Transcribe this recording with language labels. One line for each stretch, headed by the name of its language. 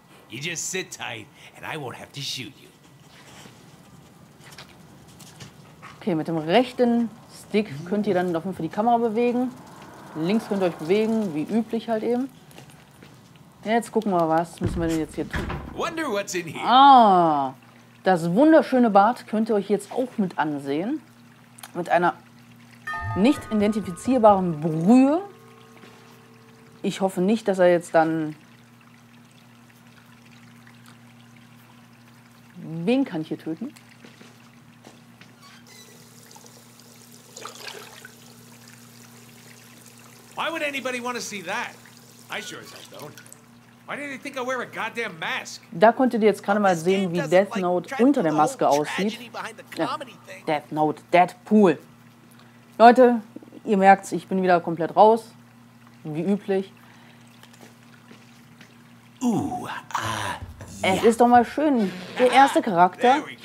English: You just sit tight and I won't have to shoot you.
German: Okay, mit dem rechten Stick könnt ihr dann auf jeden Fall die Kamera bewegen. Links könnt ihr euch bewegen, wie üblich halt eben. Jetzt gucken wir, was müssen wir denn jetzt hier tun?
English: Wonder what's in here.
German: Ah, das wunderschöne Bart könnt ihr euch jetzt auch mit ansehen. Mit einer nicht identifizierbaren Brühe. Ich hoffe nicht, dass er jetzt dann wen kann ich hier töten?
English: Why would anybody want to see that? I sure as hell don't. Why do they think I wear a goddamn mask?
German: Da konntet ihr jetzt gerade mal sehen, wie Death Note unter der Maske aussieht. Ja, Death Note, Deadpool. Leute, ihr merkt's, ich bin wieder komplett raus, wie üblich. Es ist doch mal schön, der erste Charakter.